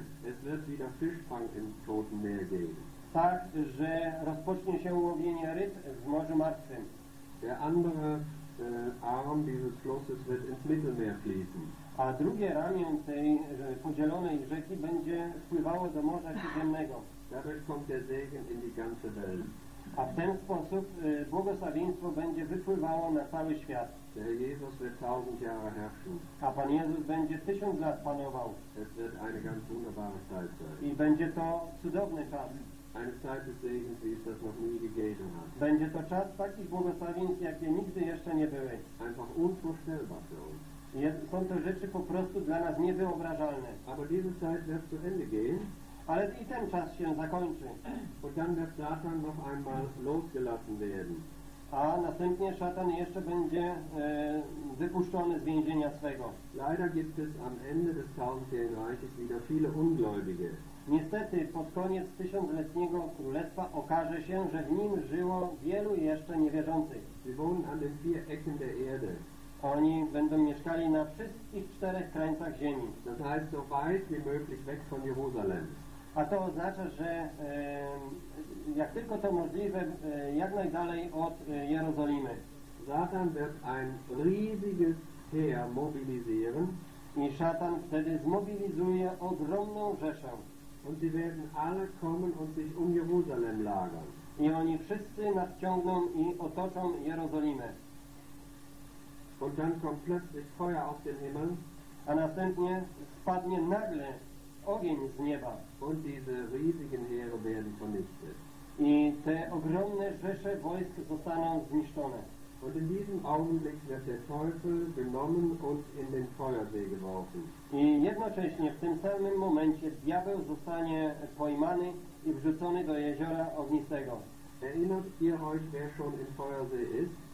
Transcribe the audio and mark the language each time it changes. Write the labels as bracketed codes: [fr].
[de] Es wird wieder Fischfang im Toten Meer geben. [pl] Tak, że rozpocznie się łowienie ryb w Morzu Martwym. [de] Der andere Arm dieses Flusses wird ins Mittelmeer fließen. [pl] A drugie ramię tej podzielonej rzeki będzie wpływało do Morza Śródziemnego. [de] Dadurch kommt der Segen in die ganze Welt. [pl] A w ten sposób błogosławieństwo będzie wypływało na cały świat. [de] Der Jesus wird 1000 Jahre herrschen. [pl] A Pan Jezus będzie 1000 lat panował. [de] Es wird eine ganz wunderbare Zeit sein. [pl] I będzie to cudowny czas. [de] Eine Zeit des Segens, wie es das noch nie gegeben hat. [pl] Będzie to czas takich błogosławieństw, jakie nigdy jeszcze nie były. [de] Einfach unvorstellbar für uns. [pl] Są to rzeczy po prostu dla nas niewyobrażalne. [de] Aber diese Zeit wird zu Ende gehen. [pl] Ale i ten czas się zakończy. [de] Und dann wird Satan noch einmal losgelassen werden. [pl] A następnie szatan jeszcze będzie wypuszczony z więzienia swego. [de] Leider gibt es am Ende des tausendjährigen Reiches wieder viele Ungläubige. [pl] Niestety, pod koniec tysiącletniego królestwa okaże się, że w nim żyło wielu jeszcze niewierzących. [de] Sie wohnen an den vier Ecken der Erde. [pl] Oni będą mieszkali na wszystkich czterech krańcach ziemi. [de] Das heißt, so weit wie möglich weg von Jerusalem. [pl] A to oznacza, że jak tylko to możliwe, jak najdalej od Jerozolimy. [de] Satan wird ein riesiges Heer mobilisieren. [pl] I szatan wtedy zmobilizuje ogromną rzeszę. [de] Und sie werden alle kommen und sich um Jerusalem lagern. [pl] I oni wszyscy nadciągną i otoczą Jerozolimę. [de] Und dann kommt plötzlich Feuer aus dem Himmel. [pl] A następnie spadnie nagle ogień z nieba. [de] Und diese riesigen Heere werden vernichtet. [pl] I te ogromne rzesze wojsk zostaną zniszczone. [de] Und in diesem Augenblick wird der Teufel genommen und in den Feuersee geworfen. [pl] I jednocześnie w tym samym momencie diabeł zostanie pojmany i wrzucony do jeziora ognistego. [de] Erinnert ihr euch, wer schon im Feuersee ist?